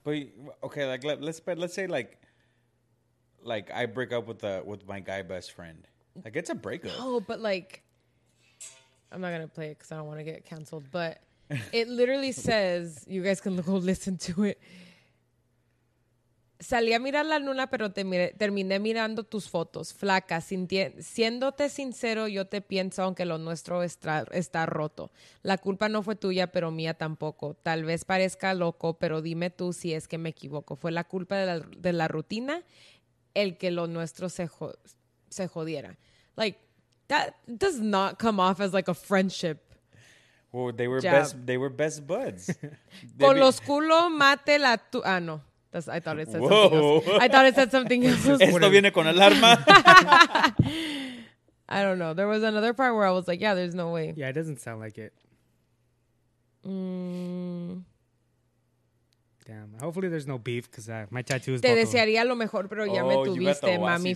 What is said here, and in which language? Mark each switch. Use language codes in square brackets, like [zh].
[en] But, okay, like, let's say, like I break up with my guy best friend. Like, it's a breakup. No, but, like, I'm not going to play it because I don't want to get canceled. But it literally says, you guys can go listen to it. [es] Salí a mirar la luna, pero terminé mirando tus fotos. Flaca, siéndote sincero, yo te pienso, aunque lo nuestro está roto. La culpa no fue tuya, pero mía tampoco. Tal vez parezca loco, pero dime tú si es que me equivoco. Fue la culpa de la rutina el que lo nuestro se jodiera. [en] Like, that does not come off as like a friendship. Well, they were jab. They were best buds. [es] Con los culo mate la tu... [en] Ah, no. I thought it said something else. [es] Esto viene con alarma. [en] I don't know. There was another part where I was like, yeah, there's no way. Yeah, it doesn't sound like it. Damn. Hopefully there's no beef because my tattoo is broken. [es] Te desearía lo mejor, pero ya me tuviste, mami.